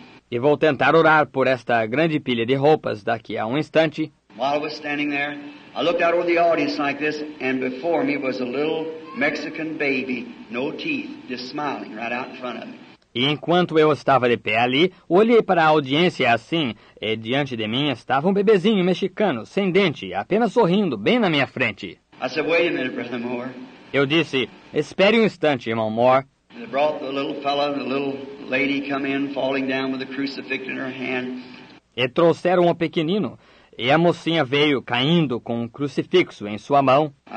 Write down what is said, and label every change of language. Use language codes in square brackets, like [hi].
[pt] E vou tentar orar por esta grande pilha de roupas daqui a um instante. [en] While I was standing there, I looked out over the audience like this, and before me was a little Mexican baby, no teeth, just smiling right out in front of me. [pt] E enquanto eu estava de pé ali, olhei para a audiência assim, e diante de mim estava um bebezinho mexicano, sem dente, apenas sorrindo, bem na minha frente. [en] I said, wait a minute, Brother Moore. [pt] Eu disse, espere um instante, irmão Moore. [en] They brought the little fellow, the little lady come in, falling down with a crucifix in her hand. [pt] E trouxeram o pequenino. E a mocinha veio caindo com um crucifixo em sua mão.